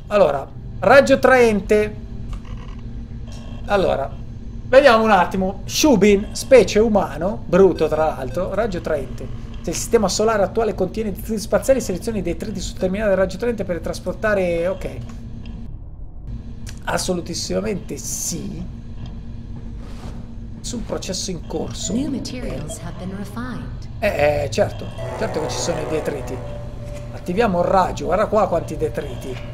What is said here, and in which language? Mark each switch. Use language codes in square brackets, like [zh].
[it] Allora, raggio traente. Allora, vediamo un attimo. Shubin, specie umano, bruto tra l'altro, raggio traente. Se il sistema solare attuale contiene detriti spaziali, selezioni i detriti sul terminale del raggio traente per trasportare... Ok. Assolutissimamente sì. Sul processo in corso. [en] New materials have been refined. [it] Certo. Certo che ci sono i detriti. Attiviamo il raggio. Guarda qua quanti detriti.